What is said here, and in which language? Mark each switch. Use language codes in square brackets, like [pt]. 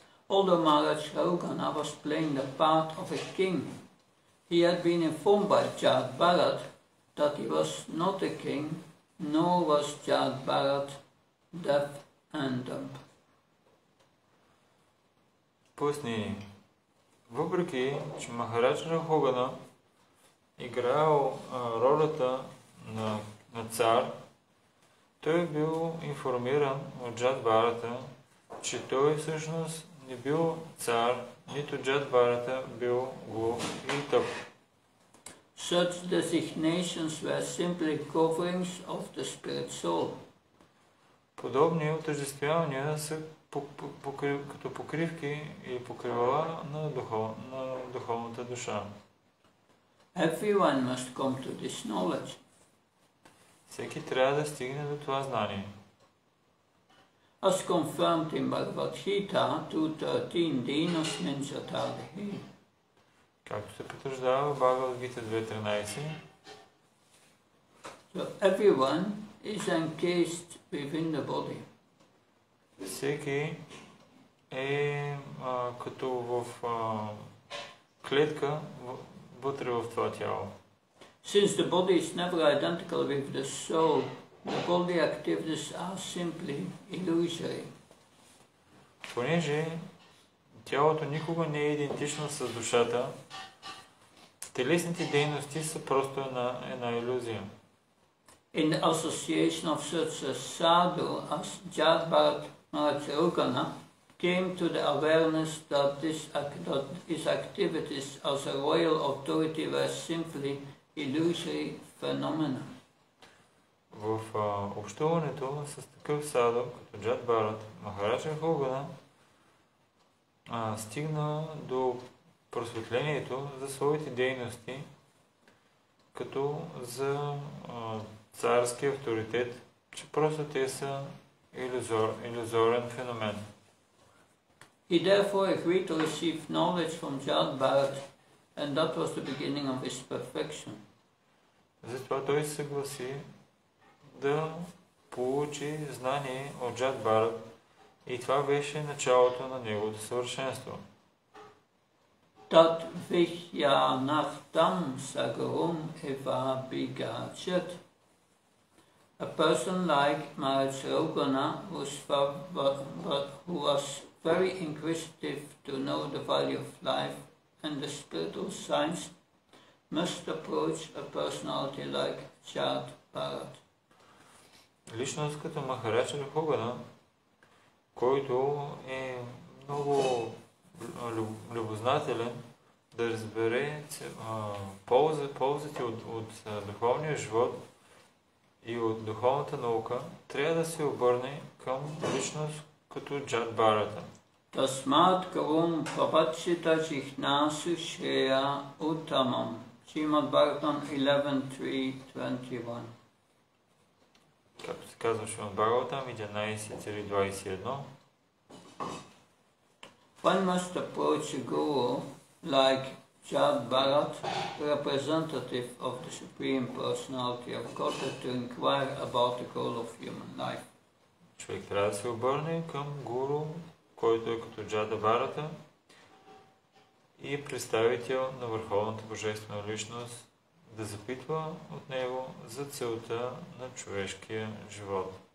[en] Although Maharaj Shaukana was playing the part of a king, he had been informed by Jad Bharat that he was not a king, nor was Jad Bharat deaf and dumb. [bg] Пусни, въпреки че Махарадж Шаукана играл ролята на цар, той е бил информиран от Джад Барата, че той всъщност не бил цар, нито Джад Барата бил глух и тъп. [en] Such designations were simply coverings of the spirit soul. [bg] Подобни отъждествявания са като покривки и покривала на духовната душа. [en] Everyone must come to this knowledge. [bg] Всеки трябва да стигне до това знание. [en] As confirmed in Bhagavad Gita 2.13, [sa] Dinos Menchatadhi. [bg] Както се потвърждава в Бхагавад Гита 2.13. [en] So everyone is encased within the body. [bg] Всеки е като в клетка вътре в това тяло. [en] Since the body is never identical with the soul, the body activities are simply illusory. [bg] Понеже тялото никога не е идентично с душата, телесните дейности са просто една илюзия. [en] In the association of such a sadhu as Jad Bharat Maharaj Shaukana came to the awareness that his activities as a royal authority were simply illusory phenomena. [bg] В общуването с такъв садо, като Джад Барат, Махарадж Шаукана стигна до просветлението за своите дейности, като за царски авторитет, че просто те са илюзорен феномен. [en] He therefore agreed to receive knowledge from Jad Barat, and that was the beginning of his perfection. [bg] Затова той се съгласи да получи знание от Джад Барат и това беше началото на неговото съвършенство. [sa] Тат вихя нахтам сагрум ева бигачет. [en] A person like Maharaj Shaukana, who was very inquisitive to know the value of life and the spiritual science, must approach a personality like Jad Bharat. [bg] Личност като Махарадж Шаукана, който е много любознателен да разбере ползите от духовния живот и от духовната наука, трябва да се обърне към личност като Джад Барата. [sa] Тасмат карум прапатшита чихнасу шея утамам. Чимат Бхагаватам 11.3.21. [bg] Както се казва Чимат Бхагаватам 11.3.21. [en] One must approach a guru like Jad Bharat, representative of the Supreme Personality of Godhead, to inquire about the goal of human life. [bg] Човек трябва да се обърне към гуру, който е като Джад Барата и представител на Върховната Божествена Личност, да запитва от него за целта на човешкия живот.